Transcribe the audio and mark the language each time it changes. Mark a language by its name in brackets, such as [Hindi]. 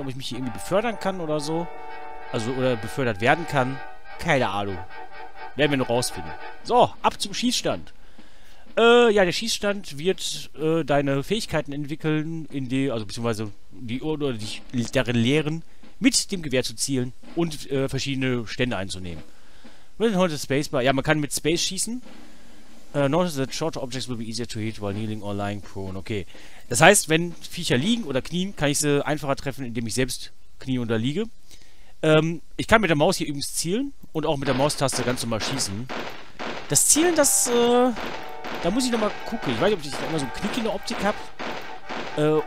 [German] Ob ich mich hier irgendwie befördern kann oder so. Also, oder befördert werden kann. Keine Ahnung. Werden wir noch rausfinden. So, ab zum Schießstand. Ja, der Schießstand wird deine Fähigkeiten entwickeln, in die, also beziehungsweise die oder dich darin lehren, mit dem Gewehr zu zielen und verschiedene Stände einzunehmen. Mit dem Haunted Spacebar. Ja, man kann mit Space schießen. [English] Notice that shorter objects will be easier to hit while kneeling or lying prone. Okay. [German] Das heißt, wenn Viecher liegen oder knien, kann ich sie einfacher treffen, indem ich selbst knie oder liege. Ich kann mit der Maus hier übrigens zielen und auch mit der Maustaste ganz normal schießen. Das Zielen, das, da muss ich nochmal gucken. Ich weiß nicht, ob ich immer so einen Knick in der Optik habe.